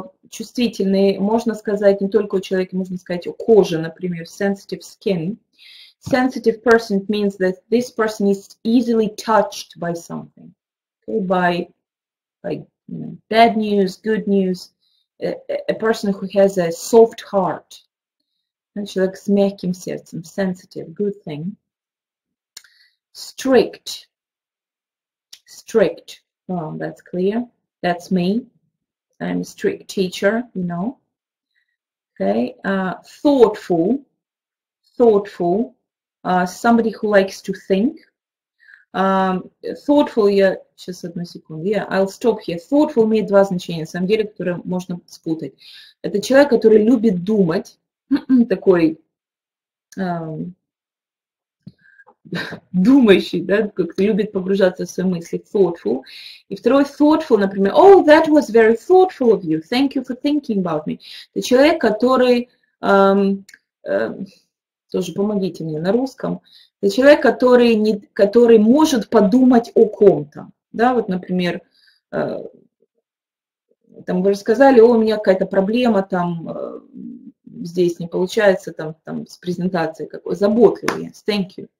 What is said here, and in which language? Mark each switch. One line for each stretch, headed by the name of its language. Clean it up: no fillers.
Russian: Чувствительный, можно сказать, не только у человека, можно сказать, у кожи, например, sensitive skin.
English: Sensitive person means that this person is easily touched by something, okay, by bad news, good news. A person who has a soft heart.
Russian: Человек с мягким сердцем,
English: sensitive, good thing. Strict. Strict. Well, that's clear. That's me. I'm a strict teacher, you know. Okay. Thoughtful. Thoughtful. Somebody who likes to think. Thoughtful,
Russian: я... Сейчас, одну секунду.
English: Yeah, I'll stop here.
Russian: Thoughtful имеет два значения, на самом деле, которые можно спутать. Это человек, который любит думать. Такой... думающий, да, как-то любит погружаться в свои мысли, thoughtful. И второй thoughtful, например,
English: oh, that was very thoughtful of you, thank you for thinking about me.
Russian: Это человек, который, тоже помогите мне на русском, это человек, который, не, который может подумать о ком-то. Да, вот, например, там вы же сказали, о, у меня какая-то проблема там, здесь не получается там, там с презентацией, какой заботливый,
English: yes, thank you.